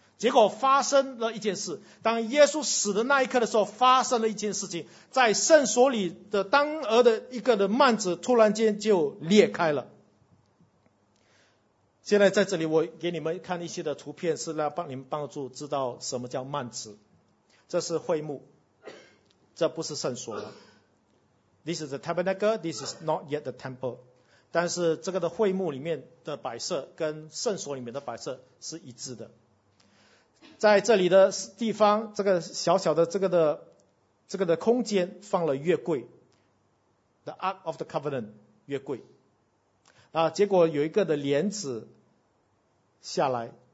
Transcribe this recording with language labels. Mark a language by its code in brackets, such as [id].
[zh] 结果发生了一件事，当耶稣死的那一刻的时候，发生了一件事情，在圣所里的当额的一个的幔子突然间就裂开了。现在在这里我给你们看一些的图片，是来帮你们帮助知道什么叫幔子。这是会幕，这不是圣所了。 [en] This is the tabernacle, this is not yet the temple. [zh] 但是这个的会幕里面的摆设跟圣所里面的摆设是一致的。在这里的地方，这个小小的这个的空间放了月柜， [en] The Ark of the Covenant [zh] 月柜啊，结果有一个的帘子下来，